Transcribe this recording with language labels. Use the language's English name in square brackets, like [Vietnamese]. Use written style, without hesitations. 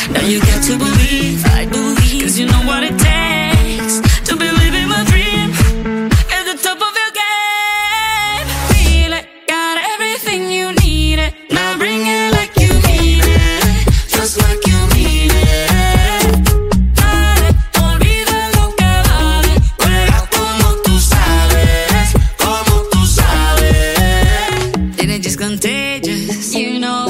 [English] Now you get to believe, I believe, 'cause you know what it takes to believe in my dream. At the top of your game, feel it, got everything you need it. Now bring it like you mean it, just like you mean it. I don't even look at all it. [Spanish] Juega como tú sabes, como tú sabes. [English] And it's just contagious, you know.